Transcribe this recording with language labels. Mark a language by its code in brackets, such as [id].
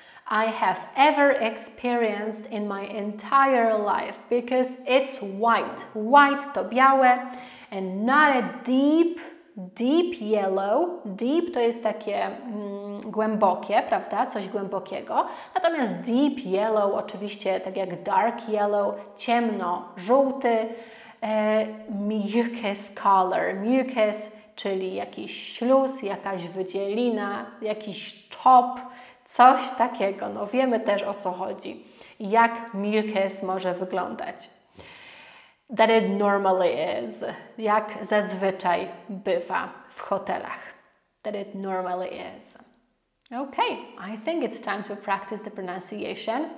[en] I have ever experienced in my entire life because it's white. White [pl] to białe [en] and not a deep, deep yellow. [pl] Deep to jest takie głębokie, prawda? Coś głębokiego. Natomiast deep yellow, oczywiście tak jak dark yellow, ciemno, żółty, mucus color, mucus, czyli jakiś śluz, jakaś wydzielina, jakiś czop. Coś takiego, no wiemy też, o co chodzi. Jak mucus może wyglądać. [en] That it normally is. [pl] Jak zazwyczaj bywa w hotelach. [en] That it normally is. Okay, I think it's time to practice the pronunciation.